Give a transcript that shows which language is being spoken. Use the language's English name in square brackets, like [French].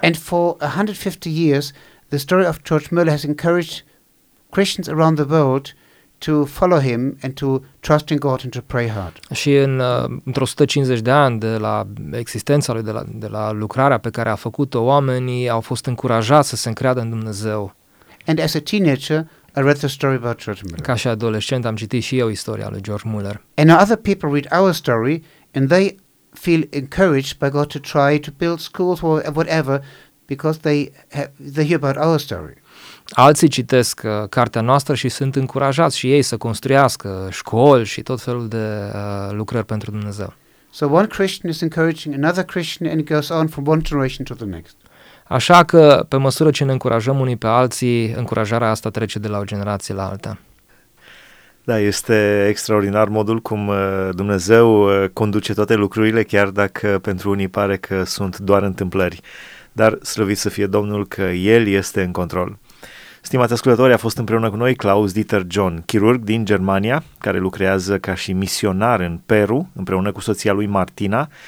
[English] And for 150 years, the story of George Mueller has encouraged Christians around the world to follow him and to trust in God and to pray hard. [Romanian] Și într-o 150 de ani de la existența lui, de la lucrarea pe care a făcut-o, oamenii au fost încurajați să se încreadă în Dumnezeu. [English] And as a teenager, I read the story about George Mueller. [Romanian] Ca și adolescent am citit și eu istoria lui George Mueller. [English] And now other people read our story and they feel encouraged by God to try to build schools or whatever because they hear about our story. [Romanian] Alții citesc cartea noastră și sunt încurajați și ei să construiască școli și tot felul de lucrări pentru Dumnezeu. [English] So one Christian is encouraging another Christian and it goes on from one generation to the next. [Romanian] Așa că, pe măsură ce ne încurajăm unii pe alții, încurajarea asta trece de la o generație la alta. Da, este extraordinar modul cum Dumnezeu conduce toate lucrurile, chiar dacă pentru unii pare că sunt doar întâmplări. Dar slăvit să fie Domnul că El este în control. Stimați ascultători, a fost împreună cu noi Klaus Dieter John, chirurg din Germania, care lucrează ca și misionar în Peru, împreună cu soția lui Martina.